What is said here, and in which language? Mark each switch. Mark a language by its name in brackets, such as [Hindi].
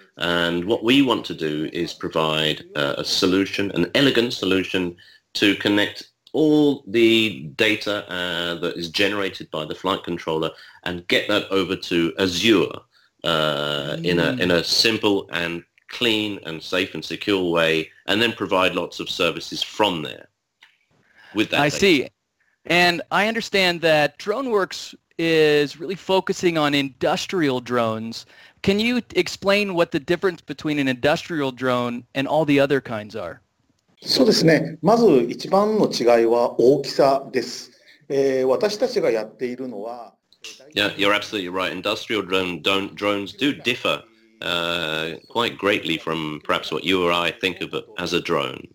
[English] And what we want to do is provide a solution, an elegant solution, to connect all the data that is generated by the flight controller and get that over to Azure in a simple and clean and safe and secure way, and then provide lots of services from there. with that. I see. And I understand that DroneWorks is really focusing on industrial drones. Can you explain what the difference between an industrial drone and all the other kinds are? [Japanese] そうですね。まず一番の違いは大きさです。私たちがやっているのは、 [English] Yeah, you're absolutely right. Industrial drones do differ quite greatly from perhaps what you or I think of as a drone.